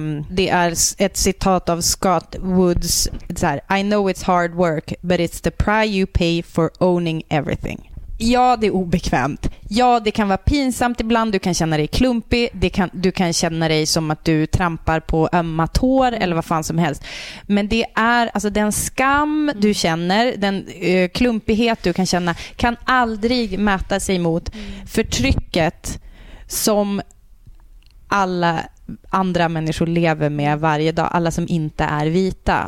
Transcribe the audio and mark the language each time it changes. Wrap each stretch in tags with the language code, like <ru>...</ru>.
<sv>Det är ett citat av Scott Woods. Så här,</sv> <en>I know it's hard work, but it's the price you pay for owning everything.</en> <sv>Ja, det är obekvämt. Ja, det kan vara pinsamt ibland. Du kan känna dig klumpig. Du kan känna dig som att du trampar på ömma tår eller vad fan som helst. Men det är alltså den skam du känner, den klumpighet du kan känna, kan aldrig mäta sig mot förtrycket som alla andra människor lever med varje dag, alla som inte är vita.</sv>